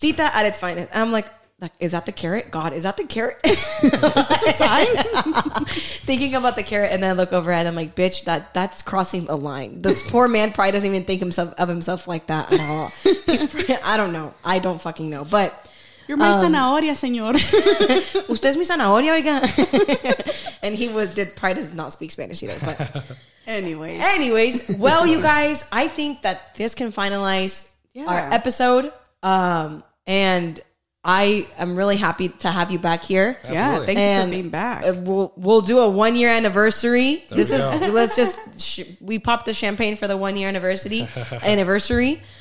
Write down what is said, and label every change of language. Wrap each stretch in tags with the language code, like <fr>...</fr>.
<en>Tita at its finest. And I'm like. Like, is that the carrot? God, is that the carrot? Is this a sign? Thinking about the carrot and then I look over at him like, bitch, that's crossing the line. This poor man probably doesn't even think of himself like that at all. I don't know. I don't fucking know. But you're my zanahoria, señor.</en> <es>Usted es mi zanahoria, oiga.</es> <en>And he probably does not speak Spanish either. But Anyways, well, you guys, I think that this can finalize yeah. our episode. And... I am really happy to have you back here. Absolutely. Yeah, thank you and for being back. We'll do a 1 year anniversary. There this is go. Let's just we popped the champagne for the 1 year anniversary.</en>